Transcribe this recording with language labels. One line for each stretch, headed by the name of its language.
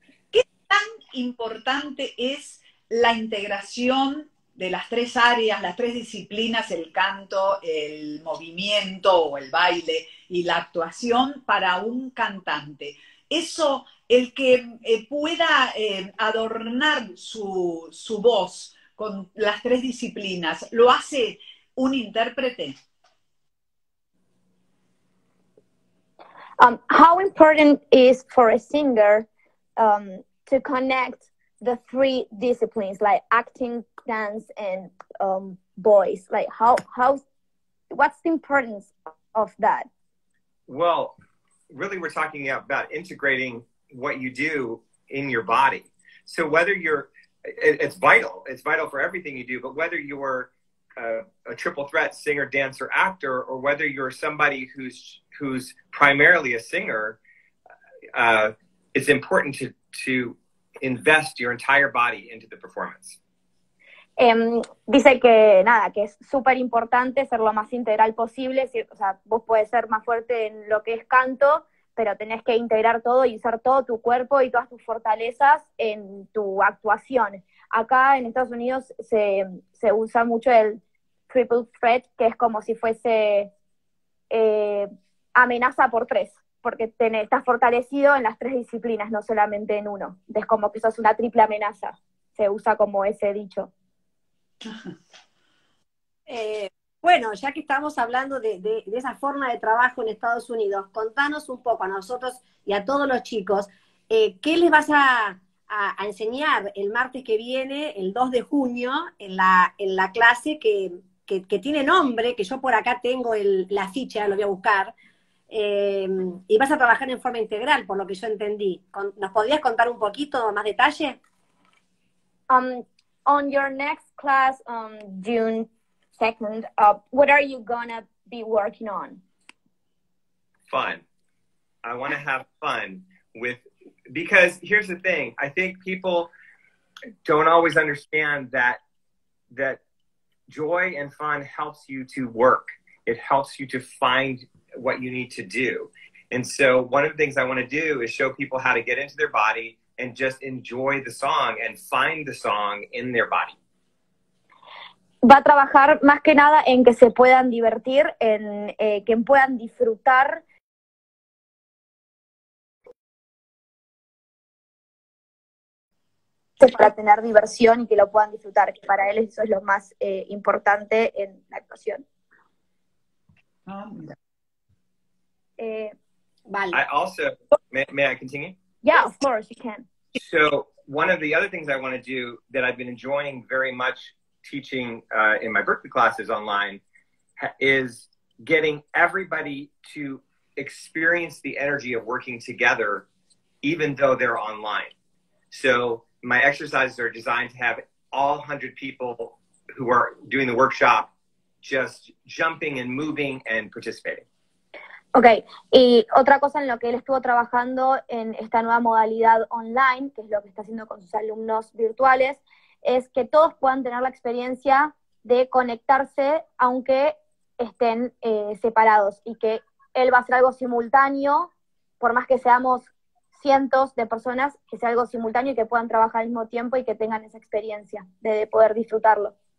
Spanish: ¿Qué tan importante es la integración de las tres áreas, las tres disciplinas, el canto, el movimiento o el baile y la actuación para un cantante? Eso, el que pueda adornar su voz con las tres disciplinas, ¿lo hace un intérprete?
English: How important is for a singer to connect the three disciplines, like acting, dance, and voice? Like, what's the importance of that? Well, really, we're talking about integrating what you do in your body. So whether you're, it's vital. It's vital for everything you do. But whether you're a triple threat singer, dancer, actor, or whether you're somebody who's primarily a singer, it's important to invest your entire body into the performance.
Spanish: Dice que nada, que es súper importante ser lo más integral posible. O sea, vos puedes ser más fuerte en lo que es canto, pero tenés que integrar todo y usar todo tu cuerpo y todas tus fortalezas en tu actuación. Acá en Estados Unidos se usa mucho el triple threat, que es como si fuese amenaza por tres, porque estás fortalecido en las tres disciplinas, no solamente en uno. Es como que sos una triple amenaza, se usa como ese dicho. Bueno, ya que estamos hablando de esa forma de trabajo en Estados Unidos, contanos un poco a nosotros y a todos los chicos, ¿qué les vas a enseñar el martes que viene, el 2 de junio, en la clase que tiene nombre, que yo por acá tengo la ficha, lo voy a buscar, y vas a trabajar en forma integral, por lo que yo entendí? ¿Nos podrías contar un poquito más detalle?
English: On your next class, June 2nd, what are you gonna be working on? Fun. I want to have fun with, because here's the thing. I think people don't always understand that joy and fun helps you to work. It helps you to find what you need to do. And so one of the things I want to do is show people how to get into their body and just enjoy the song and find the song in their body.
Spanish: Va a trabajar más que nada en que se puedan divertir, en que puedan disfrutar. Para tener diversión y que lo puedan disfrutar, que para él eso es lo más importante en la actuación.
English: May I continue? Yeah, of course, you can. So, one of the other things I want to do that I've been enjoying very much teaching in my Berklee classes online is getting everybody to experience the energy of working together, even though they're online. So my exercises are designed to have all 100 people who are doing the workshop just jumping and moving and participating.
Spanish: Okay, y otra cosa en lo que él estuvo trabajando en esta nueva modalidad online, que es lo que está haciendo con sus alumnos virtuales, es que todos puedan tener la experiencia de conectarse aunque estén separados, y que él va a hacer algo simultáneo, por más que seamos cientos de personas, que sea algo simultáneo y que puedan trabajar al mismo tiempo y que tengan esa experiencia de poder disfrutarlo.